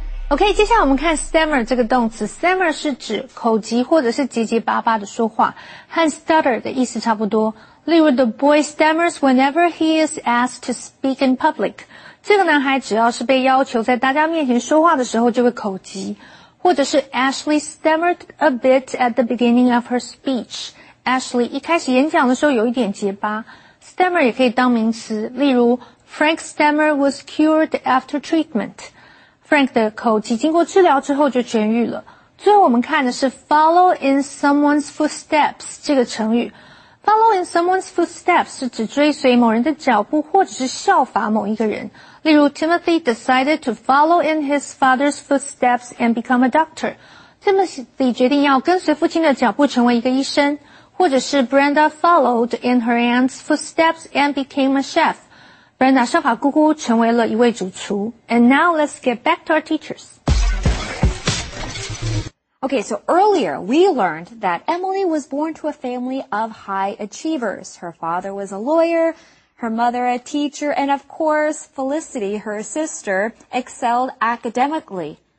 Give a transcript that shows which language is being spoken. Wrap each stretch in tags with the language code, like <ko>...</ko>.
<zh>OK, 接下来我们看 stammer 这个动词。stammer 是指口疾或者是结结巴巴的说话，和 stutter 的意思差不多。例如</zh> <en>,the boy stammers whenever he is asked to speak in public.</en> <zh>这个男孩只要是被要求在大家面前说话的时候就会口疾。或者是</zh> <en>Ashley stammered a bit at the beginning of her speech.</en> <zh>Ashley 一开始演讲的时候有一点结巴。</zh> <en>stammer</en> <zh>也可以当名词，例如</zh> <en>Frank stammer was cured after treatment.</en> <zh>Frank 的口疾经过治疗之后就痊愈了。最后我们看的是 follow in someone's footsteps 这个成语。 follow in someone's footsteps 是指追随某人的脚步或者是效法某一个人。例如</zh> <en>Timothy decided to follow in his father's footsteps and become a doctor.</en> <zh>Timothy 决定要跟随父亲的脚步成为一个医生。或者是</zh> <en>Brenda followed in her aunt's footsteps and became a chef.</en> <zh>Brenda 效法姑姑成为了一位主厨。</zh> <en>And now let's get back to our teachers. Okay, so earlier we learned that Emily was born to a family of high achievers. Her father was a lawyer, her mother a teacher, and of course, Felicity, her sister, excelled academically.</en>